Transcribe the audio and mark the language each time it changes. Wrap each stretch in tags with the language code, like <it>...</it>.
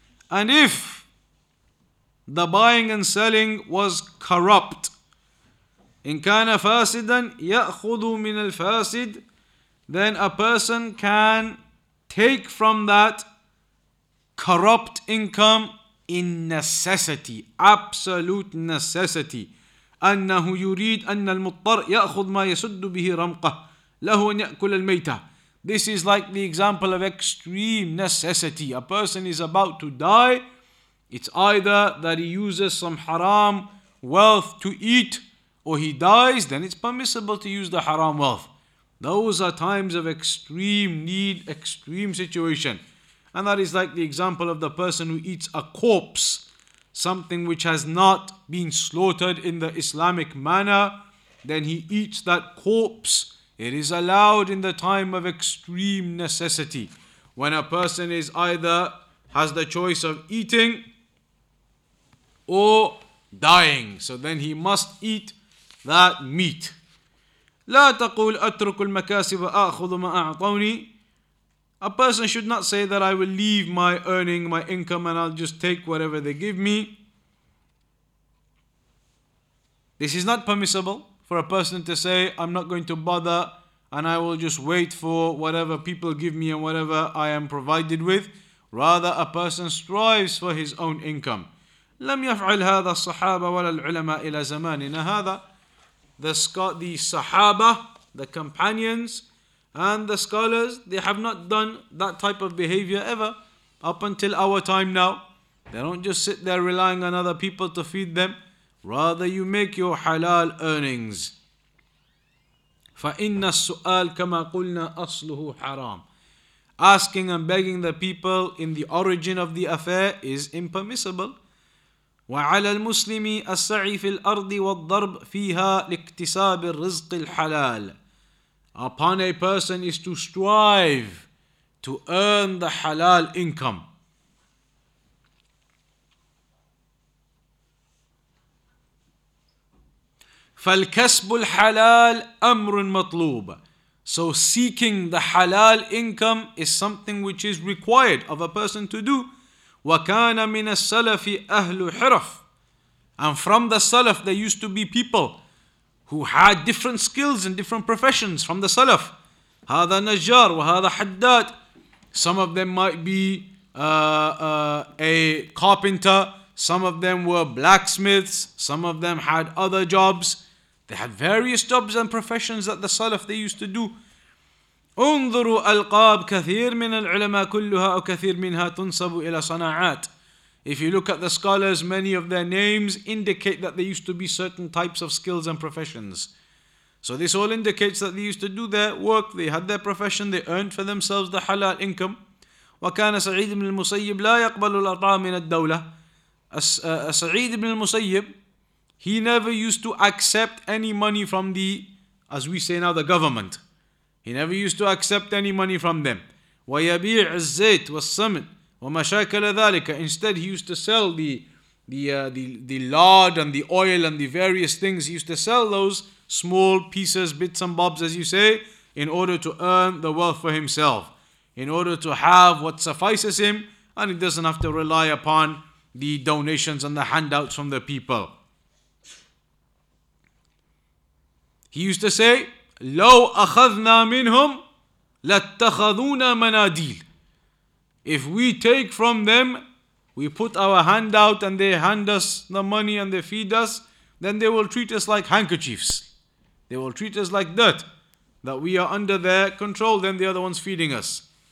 <en>And if the buying and selling was corrupt.</en> <ar>إِن كَانَ فَاسِدًا يَأْخُذُ مِنَ الْفَاسِدِ.</ar> <en>Then a person can take from that corrupt income in necessity, absolute necessity.</en> <ar>أنه يريد أن المضطر يأخذ ما يسد به رمقه له أن يأكل الميتة.</ar> <en>This is like the example of extreme necessity. A person is about to die. It's either that he uses some haram wealth to eat or he dies, then it's permissible to use the haram wealth. Those are times of extreme need, extreme situation. And that is like the example of the person who eats a corpse, something which has not been slaughtered in the Islamic manner. Then he eats that corpse. It is allowed in the time of extreme necessity. When a person is either has the choice of eating or dying. So then he must eat that meat.</en> <ar>لا تقول أترك المكاسب وأخذ ما أعطوني.</ar> <en>A person should not say that I will leave my earning, my income, and I'll just take whatever they give me. This is not permissible for a person to say, I'm not going to bother and I will just wait for whatever people give me and whatever I am provided with. Rather, a person strives for his own income.</en> <ar>لم يفعل هذا الصحابة ولا العلماء إلى زماننا هذا.</ar> <en>The Sahaba, the companions, and the scholars, they have not done that type of behavior ever up until our time now. They don't just sit there relying on other people to feed them. Rather, you make your halal earnings.</en> <ar>فَإِنَّ السُّؤَالِ كَمَا قُلْنَا أَصْلُهُ حَرَامٌ.</ar> <en>Asking and begging the people in the origin of the affair is impermissible.</en> <ar>وعلى المسلم السعي في الأرض والضرب فيها لاكتساب الرزق الحلال.</ar> <en>Upon a person is to strive to earn the halal income.</en> <ar>فالكسب الحلال أمر مطلوب.</ar> <en>So seeking the halal income is something which is required of a person to do.</en> <ar>وكان من السلف أهل حرف.</ar> <en>And from the Salaf there used to be people who had different skills and different professions from the Salaf.</en> <ar>هذا نجار وهذا حداد.</ar> <en>Some of them might be a carpenter. Some of them were blacksmiths. Some of them had other jobs. They had various jobs and professions that the Salaf they used to do.</en> <ar>انظروا ألقاب كثير من العلماء كلها أو كثير منها تنسب إلى صناعات.</ar> <en>If you look at the scholars, many of their names indicate that there used to be certain types of skills and professions. So this all indicates that they used to do their work, they had their profession, they earned for themselves the halal income.</en> <ar>وكان سعيد بن المسيب لا يقبل الأطعام من الدولة.</ar> <en>سعيد بن المسيب, he never used to accept any money from the, as we say now, the government. He never used to accept any money from them.</en> <ar>وَيَبِيعُ الزَّيْتِ وَالسَّمْنِ وَمَشَاكَلَ ذَلِكَ.</ar> <en>Instead, he used to sell the lard and the oil and the various things. He used to sell those small pieces, bits and bobs, as you say, in order to earn the wealth for himself, in order to have what suffices him, and he doesn't have to rely upon the donations and the handouts from the people. He used to say,</en> <ar>لو أخذنا منهم لاتخذونا مناديل.</ar> <en>If we take from them, we put our hand out and they hand us the money and they feed us, then they will treat us like handkerchiefs. They will treat us like dirt, that we are under their control, then they are the ones feeding us.</en>